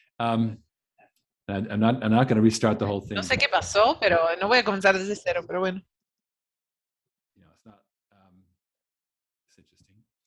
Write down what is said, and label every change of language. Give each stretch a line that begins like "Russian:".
English: I'm not going to restart the whole thing.
Spanish: No sé qué pasó, pero no voy a comenzar desde cero, pero bueno.
English: You know, it's not, it's interesting.